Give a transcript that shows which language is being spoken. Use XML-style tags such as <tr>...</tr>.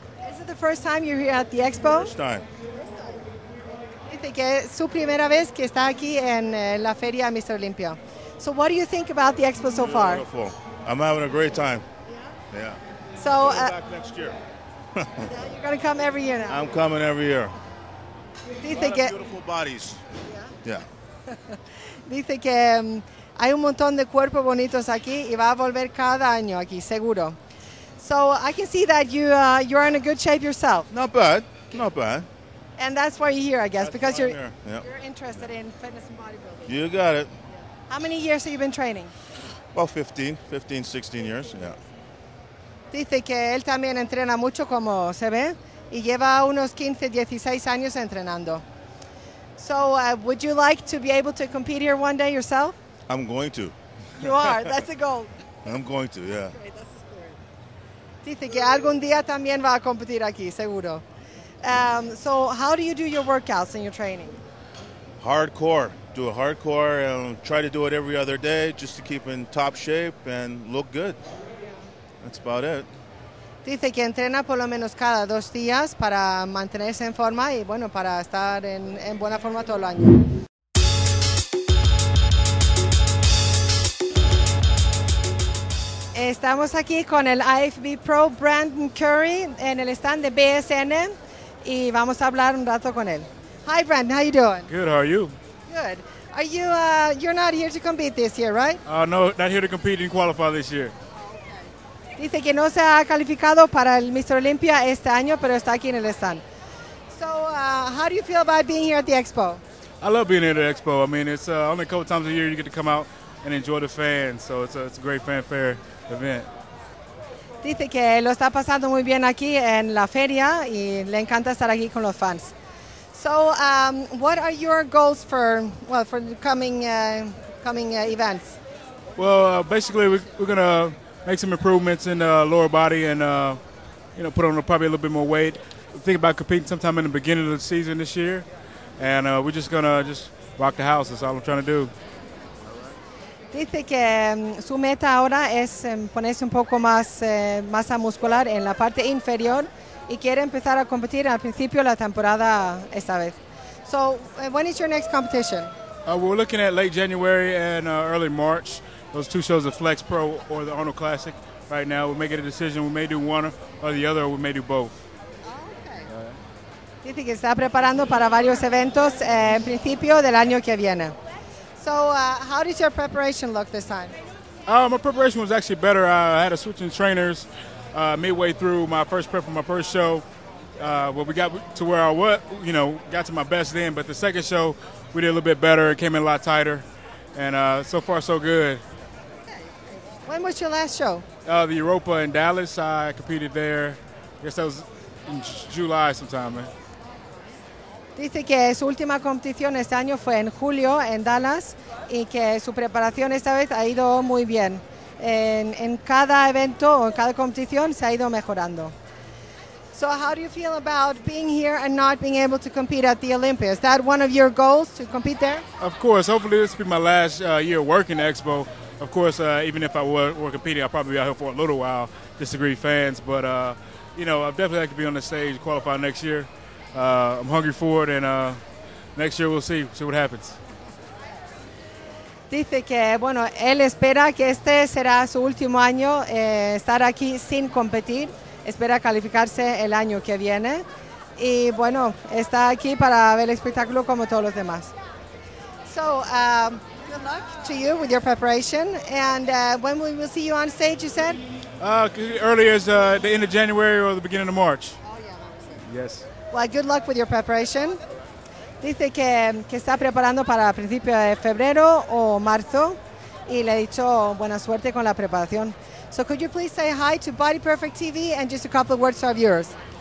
<en>Is it the first time you're here at the Expo? First time.</en> <es>Dice que es su primera vez que está aquí en la feria Mr. Olympia.</es> <en>So, what do you think about the Expo so far? Beautiful. I'm having a great time. Yeah. Yeah. So, we'll be back next year. You're gonna come every year now. I'm coming every year.</en> <es>Dice que</es> <en>beautiful bodies. Yeah.</en> <es>Dice que hay un montón de cuerpos bonitos aquí y va a volver cada año aquí, seguro.</es> <en>So I can see that you you're in a good shape yourself. Not bad, not bad. And that's why you're here, I guess, that's because why you're I'm here. Yep. You're interested in fitness and bodybuilding. You got it. How many years have you been training? Well, 15, 16 years, yeah.</en> <es>Dice que él también entrena mucho, como se ve, y lleva unos 15, 16 años entrenando.</es> <en>So, would you like to be able to compete here one day yourself? I'm going to. You are. That's the goal. I'm going to, yeah.</en> <es>Dice que algún día también va a competir aquí, seguro.</es> <en>So, how do you do your workouts and your training? Hardcore. Do a hardcore and try to do it every other day just to keep in top shape and look good. That's about it.</en> <es>Dice que entrena por lo menos cada dos días para mantenerse en forma y bueno, para estar en buena forma todo el año. Estamos aquí con el IFB Pro Brandon Curry en el stand de BSN y vamos a hablar un rato con él.</es> <en>Hi Brandon, how you doing? Good, how are you? Good. Are you you're not here to compete this year, right? No, not here to compete and qualify this year.</en> <es>Dice que no se ha calificado para el Mr. Olympia este año, pero está aquí en el stand.</es> <en>So, how do you feel about being here at the Expo? I love being here at the Expo. I mean, it's only a couple times a year you get to come out and enjoy the fans. So, it's a great fanfare event.</en> <es>Dice que lo está pasando muy bien aquí en la feria y le encanta estar aquí con los fans.</es> <en>So, what are your goals for the coming events? Well, basically, we're going to make some improvements in the lower body and, you know, put on probably a little bit more weight. Think about competing sometime in the beginning of the season this year. And we're just going to just rock the house. That's all I'm trying to do.</en> <es>Dice que su meta ahora es ponerse un poco más masa muscular en la parte inferior y quiere empezar a competir al principio de la temporada esta vez.</es> <en>So, when is your next competition? We're looking at late January and early March. Those two shows, the Flex Pro or the Arnold Classic, right now. We're making a decision. We may do one or the other, or we may do both. Okay.</en> <es>Dice que está preparando para varios eventos en principio del año que viene.</es> <en>So, how did your preparation look this time? My preparation was actually better. I had a switch in trainers midway through my first prep for my first show. Well, we got to where I was, you know, got to my best then. But the second show, we did a little bit better. It came in a lot tighter. And so far, so good. When was your last show? The Europa in Dallas. I competed there. I guess that was in July sometime. Man.</en> <es>Dice que su última competición este año fue en julio en Dallas y que su preparación esta vez ha ido muy bien. En cada evento o cada competición se ha ido mejorando.</es> <en>So how do you feel about being here and not being able to compete at the Olympia? Is that one of your goals, to compete there? Of course. Hopefully this will be my last year working Expo. Of course, even if I were competing, I'd probably be out here for a little while, disagree fans. But, you know, I'd definitely like to be on the stage, qualify next year. I'm hungry for it, and next year we'll see what happens.</en> <es>Dice que, bueno, él espera que este será su último año estar aquí sin competir. Espera calificarse el año que viene. Y, bueno, está aquí para ver el espectáculo como todos los demás.</es> <en>So, good luck to you with your preparation. And when will we see you on stage, you said? Early as the end of January or the beginning of March. Oh, yeah. Yes. Well, good luck with your preparation.</en> <es>Dice que está preparando para principio de febrero o marzo. Y le ha dicho buena suerte con la preparación.</es> <en>So could you please say hi to Body Perfect TV and just a couple of words of yours?</en>